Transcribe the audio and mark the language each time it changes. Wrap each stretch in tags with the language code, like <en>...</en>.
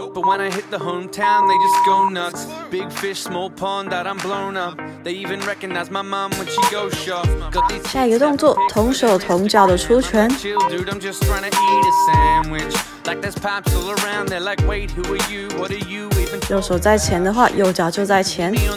<en>But when I hit the hometown, they just go nuts. Big fish, small pond, that I'm blown up. They even recognize my mom when she goes shopping.</en> <zh>下一个动作，同手同脚的出拳。</zh> <en>Dude, I'm just trying to eat a sandwich. Like there's pops all around, they're like, wait, who are you? What are you even?</en> <zh>右手在前的话，右脚就在前。</zh>